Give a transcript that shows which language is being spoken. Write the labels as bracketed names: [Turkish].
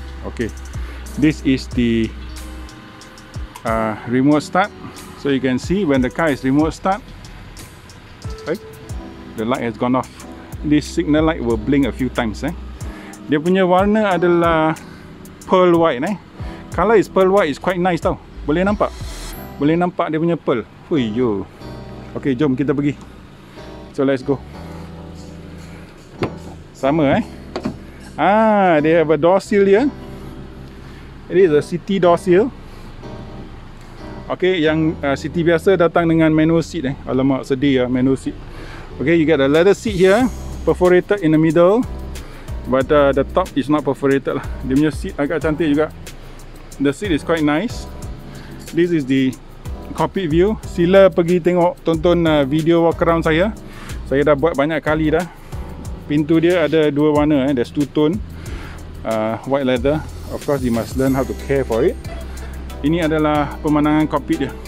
[English] Okay, this is the remote start. So you can see when the car is remote start, right? The light has gone off. This signal light will blink a few times. [Malay] Dia punya warna adalah pearl white. [English] Color is pearl white, is quite nice [Malay] tau. Boleh nampak? Boleh nampak dia punya pearl. Fui yo. Okay, jom kita pergi. [English] So let's go. Sama they have a door seal here. It is a city door seal. [Malay] Okay, yang city biasa datang dengan manual seat Alamak, sedih lah manual seat. [English] Okay, you get a leather seat here. Perforated in the middle. But the top is not perforated lah. [Malay] Dia punya seat agak cantik juga. [English] The seat is quite nice. This is the cockpit view. [Malay] Sila pergi tengok, tonton video walk around saya. Saya dah buat banyak kali dah. Pintu dia ada dua warna [English] There's two tone. White leather. Of course, you must learn how to care for it. [Malay] Ini adalah pemandangan cockpit dia.